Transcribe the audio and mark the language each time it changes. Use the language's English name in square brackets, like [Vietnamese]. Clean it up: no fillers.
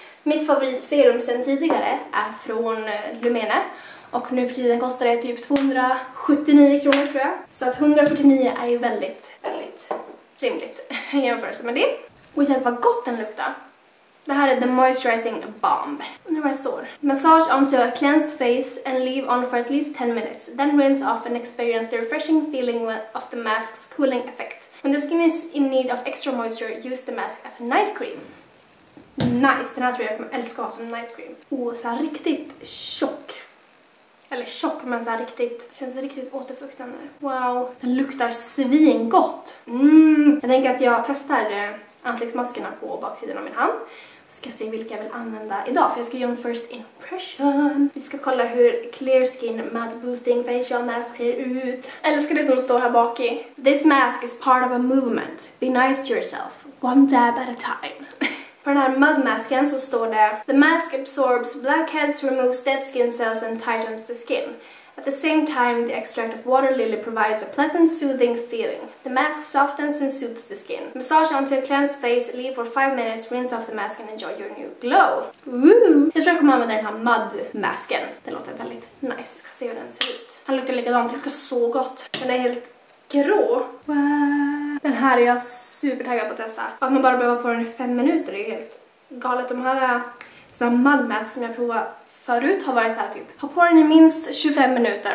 [Swedish] Mitt favoritserum sedan tidigare är från Lumene. Och nu för tiden kostar det typ 279 kronor, tror jag. Så att 149 är ju väldigt, väldigt rimligt i jämförelse med det. Och hjälp vad gott den luktar. Det här är The Moisturizing Balm. Nu var det sår. [English] Massage onto a cleansed face and leave on for at least 10 minutes. Then rinse off and experience the refreshing feeling of the mask's cooling effect. When the skin is in need of extra moisture, use the mask as a night cream. [Swedish] Nice, den här tror jag kommer älska som night cream. Åh, så här riktigt tjock. Eller tjock, men så här riktigt. Känns riktigt återfuktande. Wow. Den luktar svingott. Mm. Jag tänker att jag testar ansiktsmaskerna på baksidan av min hand. Så ska jag se vilka jag vill använda idag. För jag ska göra en first impression. Vi ska kolla hur Clear Skin Matte Boosting Facial Mask ser ut. Älskar det som står här bak i. [English] This mask is part of a movement. Be nice to yourself. One dab at a time. [Swedish] På den här mudmasken så står det: [English] The mask absorbs blackheads, removes dead skin cells and tightens the skin. At the same time, the extract of water lily provides a pleasant, soothing feeling. The mask softens and soothes the skin. Massage onto a cleansed face, leave for 5 minutes, rinse off the mask and enjoy your new glow. Woo! [Swedish] Jag tror jag kommer använda den här mudmasken. Den låter väldigt nice, vi ska se hur den ser ut. Han luktar likadant, den luktar så gott. Den är helt grå. Wow. Den här är jag supertaggad på att testa. Att man bara behöver på den i 5 minuter är helt galet. De här såna mudmask som jag provar förut har varit så här typ, ha på den i minst 25 minuter.